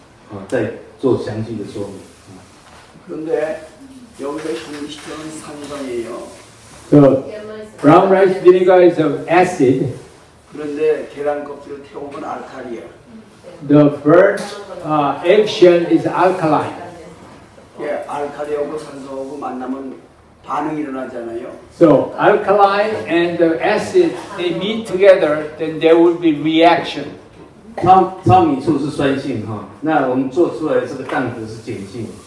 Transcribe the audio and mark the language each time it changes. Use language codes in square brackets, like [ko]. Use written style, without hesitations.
[zh] 有些收获的时候，有些水果收获的时候，它还在开花。那我们怎么判断说如果收获前一周？那大师回答就是说，这个会留在下一次果树栽培跟一般作物栽培的特别详细，再做详细的说明。 [ko] 그런데 여기서 중식적인 산성이에요. 그 브라운 라이스 비니거 [en] is of acid. [ko] 그런데 계란 껍질을 태우면 알칼리야. [en] The bird eggshell is alkaline. [ko] 예, 알칼리하고 산소하고 만나면 반응이 일어나잖아요. [en] So alkaline and the acid they meet together, then there will be reaction. [zh] 糙米醋是酸性哈，那我们做出来这个蛋壳是碱性。